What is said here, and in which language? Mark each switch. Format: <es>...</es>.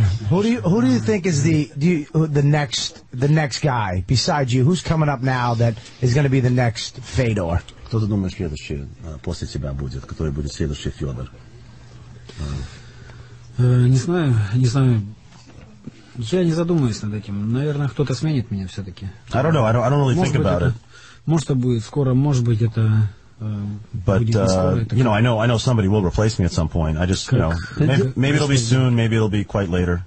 <en>Who do you think is the next guy besides you? Who's coming up now that is going to be the next Fedor?</en> <ru>Кто ты думаешь следующий после тебя будет, который будет следующий Федор? Не знаю. Я не задумываюсь над этим. Наверное, кто-то сменит меня все-таки.</ru> <en>I don't know. I don't really think about it.</en> <ru>Может, это будет скоро, может быть, это</ru> <en>but,</en> <ru>будет не скоро.</ru> <en>You know, I know somebody will replace me at some point. I just, you know, maybe it'll be soon, maybe it'll be quite later.</en>